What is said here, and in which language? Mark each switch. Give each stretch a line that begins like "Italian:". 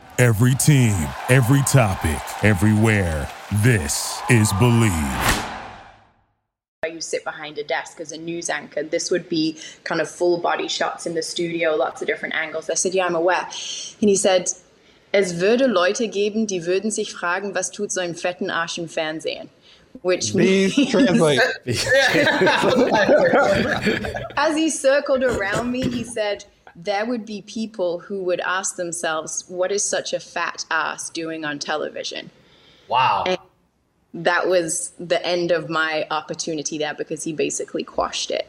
English: Every team, every topic, everywhere. This is Believe. You sit behind a desk as a news anchor. This would be kind of full body shots in the studio, lots of different angles. I said, yeah, I'm aware. And he said,
German: es würde Leute geben, die würden sich fragen, was tut so ein fetten Arsch im Fernsehen?
English: Which as he circled around me, he said, there would be people who would ask themselves, what is such a fat ass doing on television? Wow. And that was the end of my opportunity there, because he basically quashed it.